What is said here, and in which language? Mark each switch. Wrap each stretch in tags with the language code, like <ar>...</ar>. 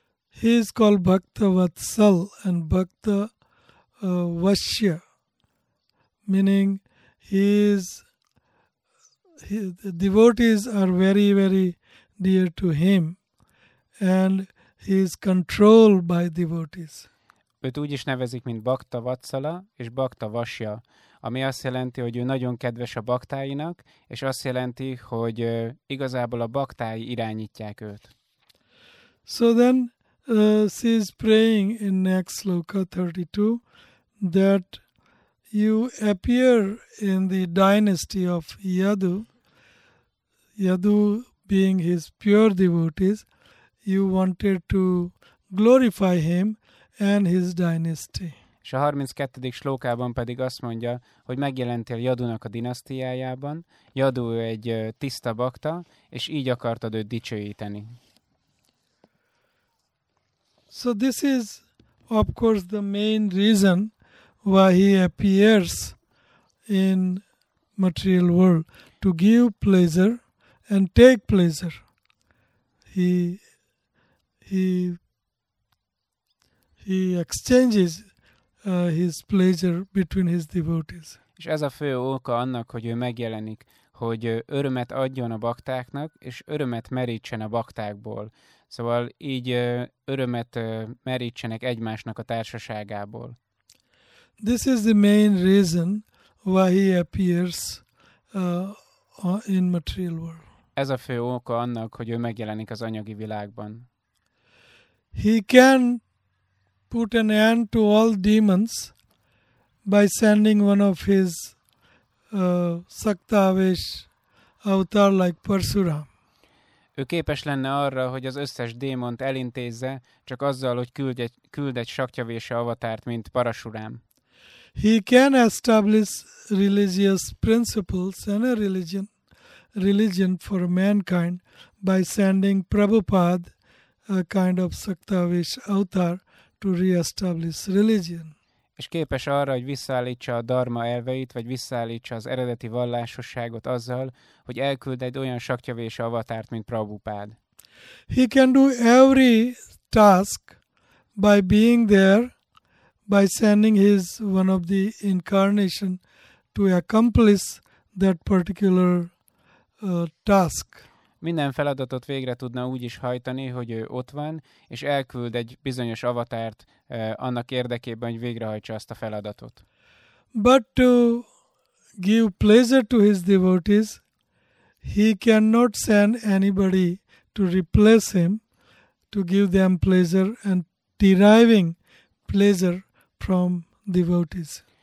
<en>He is called Bhakta Vatsal and Bhakta Vashya, meaning his devotees are very, very dear to him and he is controlled by devotees.</en> <hu>Őt úgy is nevezik, mint Bhakta Vatsala és Bhakta Vashya, ami azt jelenti, hogy ő nagyon kedves a baktáinak, és azt jelenti, hogy igazából a baktái irányítják őt.</hu> <en>So then, she is praying in next sloka 32 that you appear in the dynasty of Yadu, Yadu being his pure devotees, you wanted to glorify him and his dynasty.</en> <hu>És a 32. slókában pedig azt mondja, hogy megjelentél Yadunak a dinasztiájában, Yadu egy tiszta bakta, és így akartad őt dicsőíteni.</hu> <en>So this is, of course, the main reason why he appears in material world, to give pleasure and take pleasure. He exchanges his pleasure between his devotees.</en> <hu>És ez a fő oka annak, hogy ő megjelenik, hogy örömet adjon a baktáknak, és örömet merítsen a baktákból. Szóval így örömet merítsenek egymásnak a társaságából.</hu> <en>This is the main reason why he appears in material world.</en> <hu>Ez a fő oka annak, hogy ő megjelenik az anyagi világban.</hu> <en>He can put an end to all demons by sending one of his saktavesh avatar like Parshuram.</en> <hu>Ő képes lenne arra, hogy az összes démont elintézze, csak azzal, hogy küld egy saktyavésa avatárt, mint Parashuram.</hu> <en>He can establish religious principles and a religion for mankind by sending Prabhupada, a kind of saktavesh avatar, to re-establish religion.</en> <hu>És képes arra, hogy visszaállítsa a dharma elveit, vagy visszaállítsa az eredeti vallásosságot azzal, hogy elküld egy olyan saktyavésa avatárt, mint Prabhupád.</hu> <en>He can do every task by being there, by sending his one of the incarnation to accomplish that particular task.</en> <hu>Minden feladatot végre tudna úgy is hajtani, hogy ő ott van, és elküld egy bizonyos avatárt annak érdekében, hogy végrehajtsa azt a feladatot.</hu> <en>But to give pleasure to his devotees, he cannot send anybody to replace him, to give them pleasure and deriving pleasure from devotees.</en>